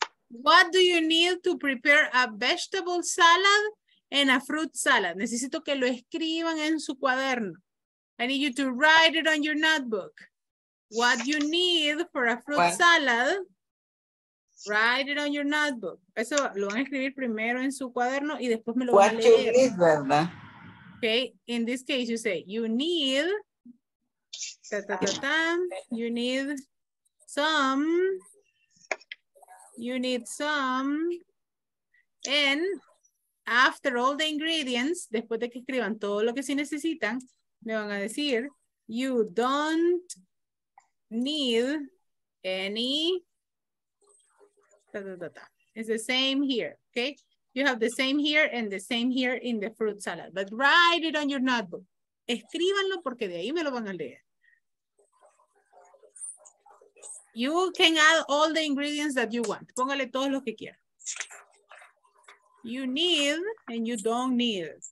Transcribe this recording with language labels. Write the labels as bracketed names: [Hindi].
[English] What do you need to prepare a vegetable salad and a fruit salad? [Spanish] Necesito que lo escriban en su cuaderno. [English] I need you to write it on your notebook. What you need for a fruit salad, write it on your notebook. [Spanish] Eso lo van a escribir primero en su cuaderno y después me lo van a leer. [English] What you need, ¿verdad? Okay, in this case you say, you need, ta, ta, ta, ta, you need some, you need some, and after all the ingredients, [Spanish] después de que escriban todo lo que sí necesitan, me van a decir, [English] you don't need any, da, da, da, da. It's the same here, okay? You have the same here and the same here in the fruit salad, but write it on your notebook. [Spanish] Escríbanlo porque de ahí me lo van a leer. [English] You can add all the ingredients that you want. [Spanish] Póngale todos los que quieran. [English] You need and you don't need.